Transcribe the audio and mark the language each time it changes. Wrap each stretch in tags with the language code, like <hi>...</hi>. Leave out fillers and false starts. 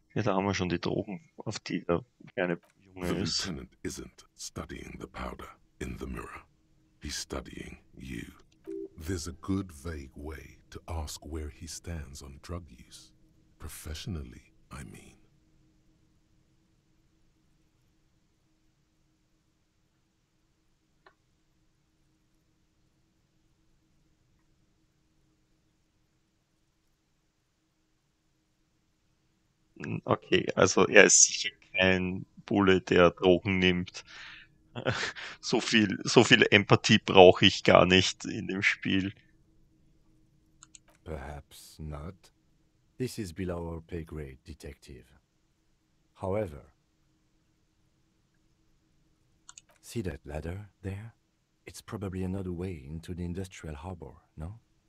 <de>Ja, da haben wir schon die Drogen, auf die der kleine Junge ist.</de> <en>The lieutenant isn't studying the powder in the mirror. He's studying you. There's a good vague way to ask where he stands on drug use. Professionally, I mean.</en> <de>Okay, also er ist sicher kein Bulle, der Drogen nimmt. So viel Empathie brauche ich gar nicht in dem Spiel.</de> <en>Perhaps not. This is below our pay grade, Detective. However, see that ladder there? It's probably another way into the industrial harbor, no?</en>